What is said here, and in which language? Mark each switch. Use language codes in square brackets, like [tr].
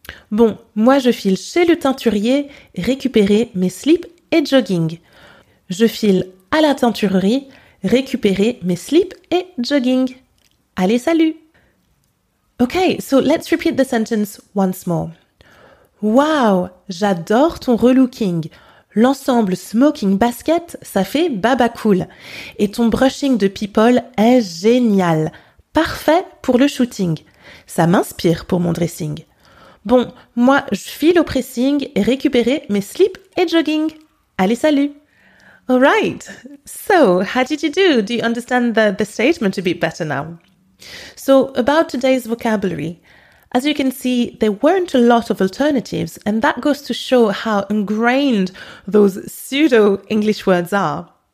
[fr] Bon, moi je file chez le teinturier récupérer mes slips et jogging. Je file à la teinturerie récupérer mes slips et jogging. Allez, salut! [en] Okay, so let's repeat the sentence once more. [fr] Wow, j'adore ton relooking. L'ensemble smoking basket, ça fait baba cool. Et ton brushing de people est génial. Parfait pour le shooting. Ça m'inspire pour mon dressing. Bon, moi, je file au pressing et récupérer mes slips et jogging. [en] Allez, salut! All right, so how did you do? Do you understand the statement a bit better now? So, about today's vocabulary. As you can see, there weren't a lot of alternatives, and that goes to show how ingrained those pseudo-English words are.